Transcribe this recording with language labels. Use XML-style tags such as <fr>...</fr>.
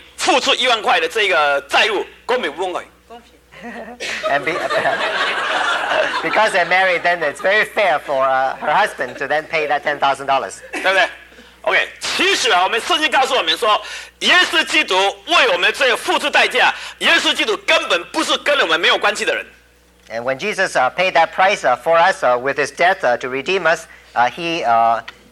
<zh>所以结果他没有钱付一万块,这个沈运生教授替他的太太刘继明付出一万块的这个债务,公平不公平?</zh> <en>And because they're married, then it's very fair for her husband to then pay that $10,000.</en> <zh>对不对? Okay, 其实我们圣经告诉我们说,耶稣基督为我们这个付出代价,耶稣基督根本不是跟我们没有关系的人。</zh> <en>And when Jesus paid that price for us with his death to redeem us, he was</en>